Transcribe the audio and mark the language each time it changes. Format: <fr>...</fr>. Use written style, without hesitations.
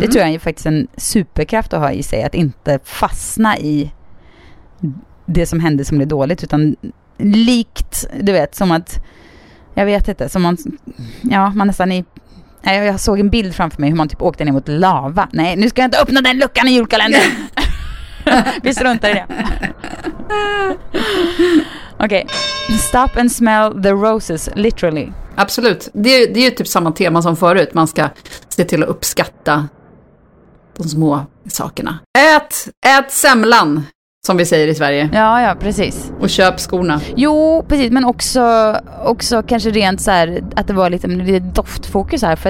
<sv>Det tror jag är faktiskt en superkraft att ha i sig. Att inte fastna i det som händer som blir dåligt. Utan likt, du vet, som att jag vet inte, som man, ja, man nästan i, nej, jag såg en bild framför mig hur man typ åkte ner mot lava. Nej, nu ska jag inte öppna den luckan i julkalendern. Vi struntar i det. Okej.</sv> <en>Stop and smell the roses, literally.</en> <sv>Absolut. Det är ju typ samma tema som förut. Man ska se till att uppskatta de små sakerna. Ät semlan, som vi säger i Sverige. Ja, ja, precis. Och köp skorna. Jo, precis. Men också kanske rent så här, att det var lite doftfokus här.</sv>